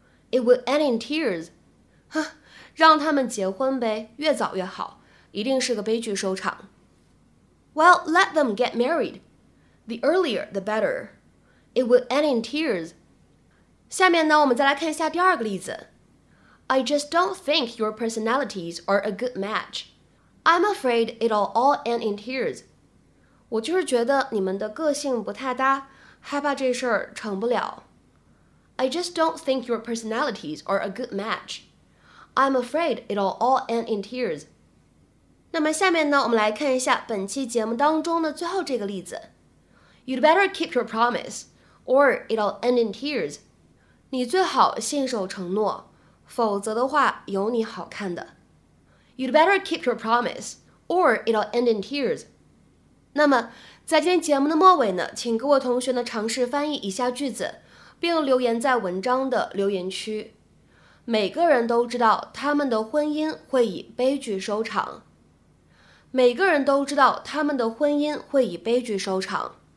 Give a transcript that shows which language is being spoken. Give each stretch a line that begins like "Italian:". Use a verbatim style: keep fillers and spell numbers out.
English: It will end in tears.
Chinese: 让他们结婚呗，越早越好，一定是个悲剧收场。
English: Well, let them get married. The earlier, the better. It will end in tears.
Chinese: 下面呢，我们再来看一下第二个例子。
English: I just don't think your personalities are a good match. I'm afraid it'll all end in tears.
Chinese: 我就是觉得你们的个性不太搭。害怕这事儿成不了。
English: I just don't think your personalities are a good match. I'm afraid it'll all end in tears.
Chinese: 那么下面呢，我们来看一下本期节目当中的最后这个例子。
English: You'd better keep your promise, or it'll end in tears.
Chinese: 你最好信守承诺，否则的话有你好看的。
English: You'd better keep your promise, or it'll end in tears.
Chinese: 那么在今天节目的末尾呢，请各位同学呢尝试翻译以下句子，并留言在文章的留言区。每个人都知道他们的婚姻会以悲剧收场。每个人都知道他们的婚姻会以悲剧收场。